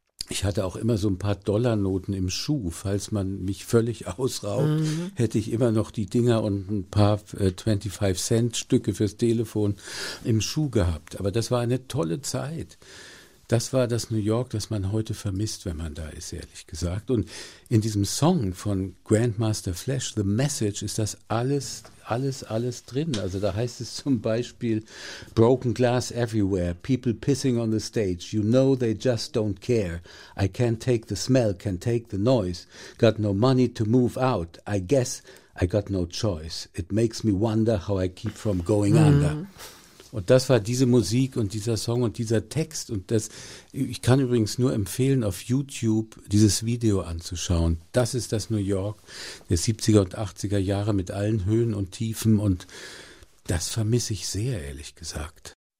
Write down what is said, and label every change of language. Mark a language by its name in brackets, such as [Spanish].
[German] Ich hatte auch immer so ein paar Dollarnoten im Schuh. Falls man mich völlig ausraubt, hätte ich immer noch die Dinger und ein paar 25-Cent-Stücke fürs Telefon im Schuh gehabt. Aber das war eine tolle Zeit. Das war das New York, das man heute vermisst, wenn man da ist, ehrlich gesagt. Und in diesem Song von Grandmaster Flash, The Message, ist das alles alles drin. [English] Also da heißt es zum Beispiel, broken glass everywhere, people pissing on the stage, you know they just don't care, I can't take the smell, can't take the noise, got no money to move out, I guess I got no choice, it makes me wonder how I keep from going under. [German] Und das war diese Musik und dieser Song und dieser Text. Und das, ich kann übrigens nur empfehlen, auf YouTube dieses Video anzuschauen. Das ist das New York der 70er und 80er Jahre mit allen Höhen und Tiefen. Und das vermisse ich sehr, ehrlich gesagt.